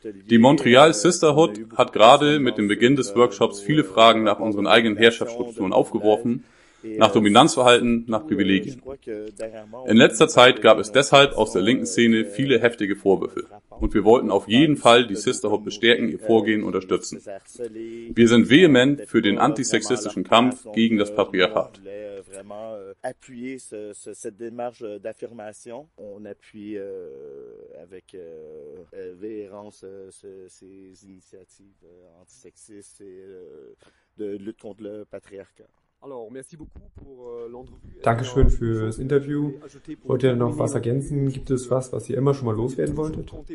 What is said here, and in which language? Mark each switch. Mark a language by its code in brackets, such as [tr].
[de] Die Montreal Sisterhood hat gerade mit dem Beginn des Workshops viele Fragen nach unseren eigenen Herrschaftsstrukturen aufgeworfen, nach Dominanzverhalten, nach Privilegien. In letzter Zeit gab es deshalb aus der linken Szene viele heftige Vorwürfe. Und wir wollten auf jeden Fall die Sisterhood bestärken, ihr Vorgehen unterstützen. Wir sind vehement für den antisexistischen Kampf gegen das Patriarchat. [fr] Appuyer cette démarche d'affirmation. On appuie avec véhérence ces initiatives antisexistes et de lutte contre le patriarcat. Alors, merci beaucoup pour l'entrevue. [de] Dankeschön fürs Interview. Wollt ihr noch was ergänzen? Gibt es was, was ihr immer schon mal loswerden wolltet?